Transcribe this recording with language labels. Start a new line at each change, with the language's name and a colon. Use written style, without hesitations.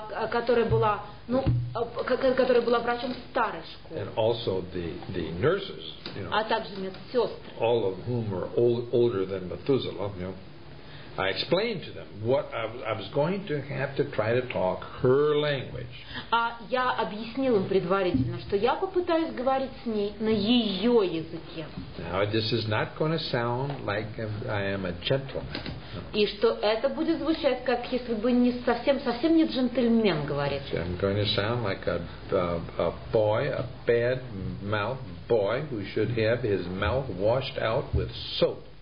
Russian: которая была врачом старой школы.
English: And also the nurses, you know,
Russian: а также медсестры.
English: All of whom are older than Methuselah, you know. I explained to them what I was going to have to try to talk her language.
Russian: А я объяснил им предварительно, что я попытаюсь говорить с ней на ее языке.
English: Now this is not going to sound like I am a gentleman.
Russian: И что это будет звучать как если бы не совсем не джентльмен говорит.
English: I'm going to sound like a boy, a bad mouth boy who should have his mouth washed out with soap.